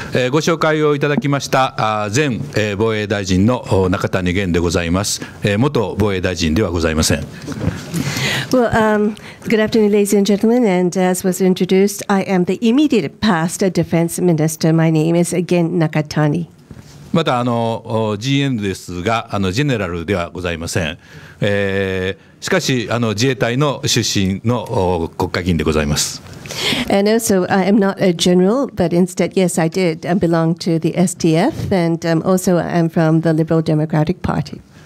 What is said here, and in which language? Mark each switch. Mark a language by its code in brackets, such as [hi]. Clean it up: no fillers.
[ja] ご紹介をいただきました前防衛大臣の中谷元でございます。元防衛大臣ではございません。 [en] Well, good afternoon, ladies and gentlemen. And as was introduced, I am the immediate past defense minister. My name is Gen Nakatani. [ja] またGN ですが、ジェネラルではございません。しかし自衛隊の出身の国会議員でございます。 [en] And also, I am not a general, but instead, yes, I did belong to the STF, and also I'm from the Liberal Democratic Party.